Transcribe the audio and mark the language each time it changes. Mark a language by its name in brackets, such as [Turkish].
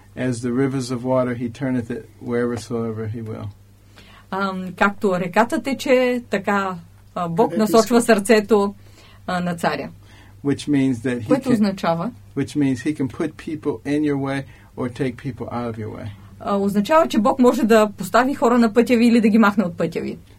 [English] As the rivers of water he turneth it wheresoever he will. [Bulgarian] Както реката тече, така Бог насочва сърцето на царя. [English] Which means that he [Bulgarian] което означава? [English] Which means he can put people in your way or take people out of your way. [Bulgarian] Означава, че Бог може да постави хора на пътя ви или да ги махне от пътя ви.